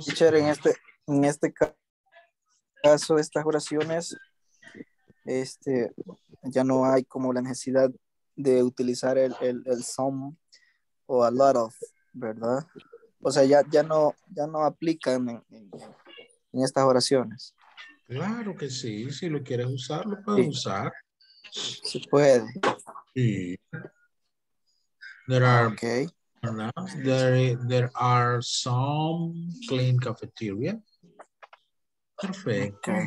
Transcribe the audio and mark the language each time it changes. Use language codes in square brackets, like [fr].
[es] teacher, en este caso, estas oraciones, ya no hay como la necesidad de utilizar el some o a lot of, ¿verdad? O sea, ya no aplican en estas oraciones. Claro que sí, si lo quieres usar, lo puedes usar. Sí puede. Sí. [en] There are some clean cafeteria. [es] Perfecto. [en] Okay.